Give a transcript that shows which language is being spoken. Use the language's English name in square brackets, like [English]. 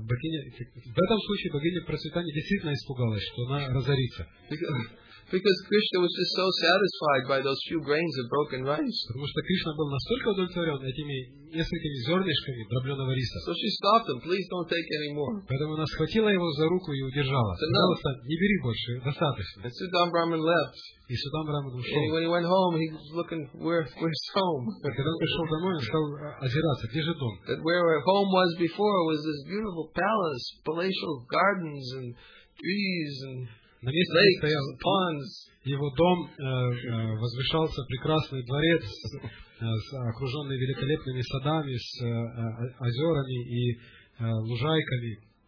[Russian] В этом случае богиня процветания действительно испугалась, что она разорится. [English] Because Krishna was just so satisfied by those few grains of broken rice. [Russian] Потому что Кришна был настолько удовлетворен этими несколькими зернышками дробленого риса. [English] So she stopped him. Please don't take any more. [Russian] Поэтому она схватила его за руку и удержала. Пожалуйста, не бери больше, достаточно. [English] And Sudama Brahman left. [Russian] И Судама Брахман ушел. [English] And when he went home, he was looking where's home. [Russian] Когда он пришел домой, он стал озираться, где же дом? [English] That where home was before was this beautiful palace, palatial gardens and trees and. [Russian] На месте стоял его дом, возвышался прекрасный дворец, окруженный великолепными садами, с озерами и лужайками.